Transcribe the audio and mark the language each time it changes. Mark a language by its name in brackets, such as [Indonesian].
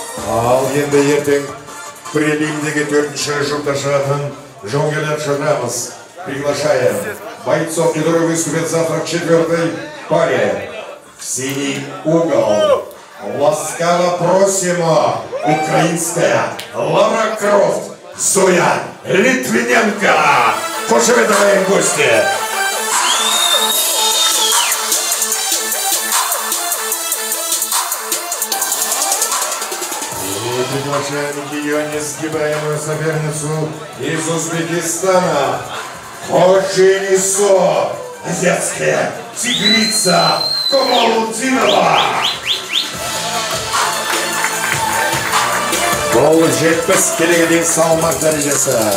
[Kazakh] Ал енді ертең прелимдегі төртінші жұпта шығатын жауынгерлер шығарамыз. [Russian] Приглашаем бойцов, которые выступят завтра в четвертой паре. Синий угол. [Ukrainian] Ласкаво просимо, [Russian] украинская Лара Крофт, Зоя Литвиненко. Пожелаем гости. И приглашаем ее несгибаемую соперницу из Узбекистана. Хоши Исо, азиатская тигрица Комалутдинова. [Kazakh] Бұл 70 келеге дейін салмақ дәрежесі.